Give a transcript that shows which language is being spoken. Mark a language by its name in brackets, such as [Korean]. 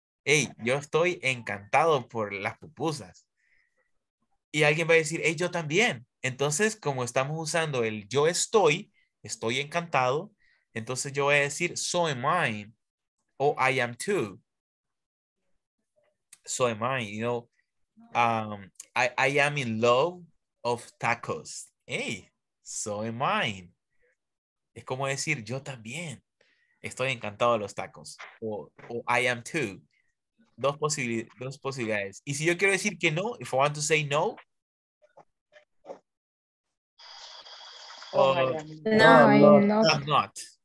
[Spanish] Hey, yo estoy encantado por las pupusas. Y alguien va a decir, hey, yo también. Entonces, como estamos usando el yo estoy encantado. Entonces, yo voy a decir, [English] so am I. O I am too. So am I. You know, I am in love of tacos. Hey, so am I. [Spanish] Es como decir, yo también estoy encantado de los tacos. [English] O I am too. [Spanish] Dos posibilidades. Y si yo quiero decir que no, [English] if I want to say no. I'm not.